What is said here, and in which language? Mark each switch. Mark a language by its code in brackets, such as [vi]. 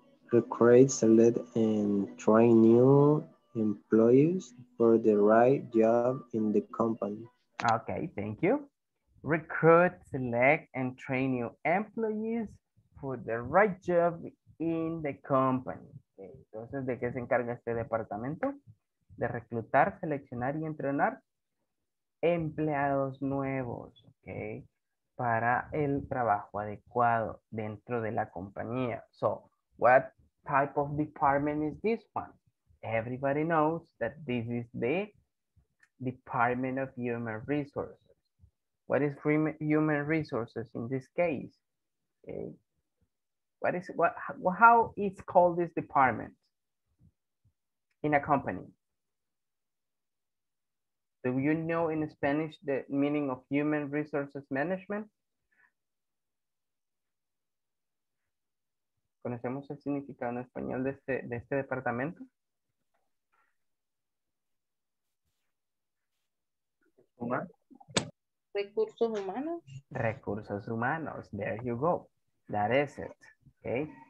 [en] Recruit, select, and train new employees for the right job in the company. Okay, thank you. Recruit, select, and train new employees for the right job in the company. [es] Okay. Entonces, ¿de qué se encarga este departamento? De reclutar, seleccionar, y entrenar empleados nuevos, okay, para el trabajo adecuado dentro de la compañía. [en] So, what type of department is this one? Everybody knows that this is the Department of Human Resources. What is human resources in this case? Okay. How it's called this department in a company? Do you know in Spanish the meaning of human resources management? [es] ¿Conocemos el significado en español de este departamento? Recursos humanos. Recursos humanos, [en] there you go. That is it, okay?